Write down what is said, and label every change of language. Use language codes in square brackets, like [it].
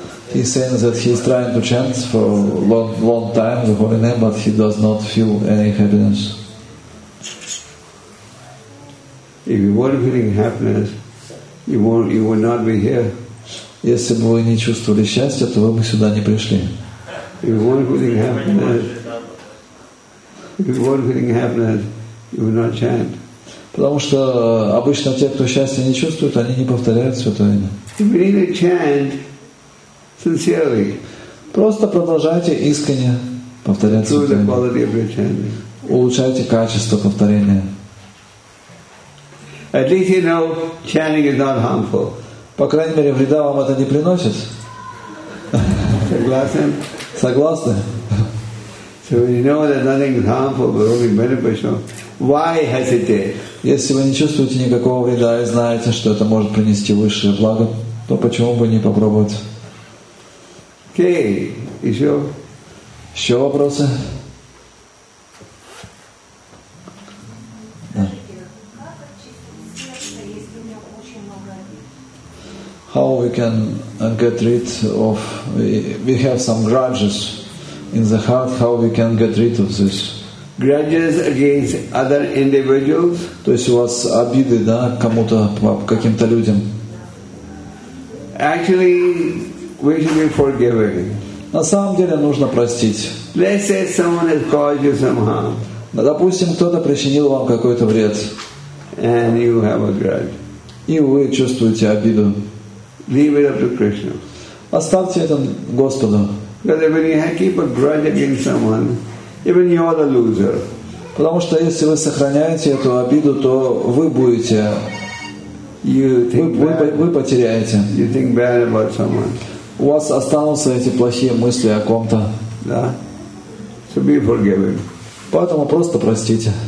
[en] He says that he is trying to chant for a long, long time the holy name, but he does not feel any happiness. If you weren't feeling happiness, you would not be here. [ru] Если бы вы не чувствовали счастья, то вы бы сюда не пришли. [en] If you weren't feeling happiness, you would not chant. [ru] Потому что обычно те, кто счастья не чувствует, они не повторяют святое имя. [en] Sincerely. [ru] Просто продолжайте искренне повторять святое. Улучшайте качество повторения. [en] At least you know chanting is not harmful. [ru] По крайней мере, вреда вам это не приносит. Согласен? Согласны? [en] So when you know that nothing is harmful but only beneficial, why hesitate? [ru] Если вы не чувствуете никакого вреда и знаете, что это может принести высшее благо, то почему бы не попробовать? Окей, еще? Еще вопросы? Да. Как очистить сердце, если у меня очень много обид? [en] How we can get rid of... We have some grudges in the heart. How we can get rid of this? Grudges against other individuals? [ru] То есть у вас обиды, да, кому-то, каким-то людям? [en] Actually, we should be forgiving. [ru] На самом деле нужно простить. [en] Let's say someone has caused you some harm. [ru] Допустим, кто-то причинил вам какой-то вред. [en] And you have a grudge. [ru] И вы чувствуете обиду. [en] Leave it up to Krishna. [ru] Оставьте это Господу. [en] Because when you keep a grudge against someone, even you're the loser. [ru] Потому что если вы сохраняете эту обиду, то вы будете. Вы потеряете. [en] You think bad about someone. [ru] У вас останутся эти плохие мысли о ком-то. [en] Да. So be forgiving. [ru] Поэтому просто простите.